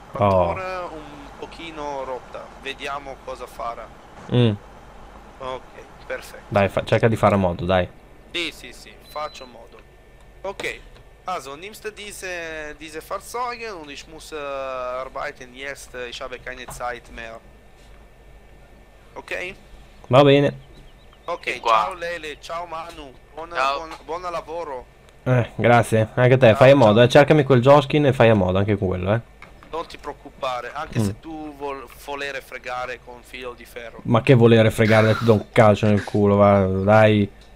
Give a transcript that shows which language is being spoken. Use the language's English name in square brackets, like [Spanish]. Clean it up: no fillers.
[Italian] Ancora un pochino rotta. Vediamo cosa farà. Ok, perfetto. Dai, cerca di fare a modo, dai. Sì, faccio a modo. Ok. [German] Also, nimmst du diese Fahrzeuge und ich muss arbeiten jetzt, ich habe keine Zeit mehr. [Italian] Okay? Va bene. Okay, ciao Lele, ciao Manu, buon lavoro. Grazie, anche a te, fai a modo, cercami quel Joskin e fai a modo anche quello, Non ti preoccupare, anche se tu volere fregare con filo di ferro. Ma che volere fregare, ti do un calcio nel culo, va, dai.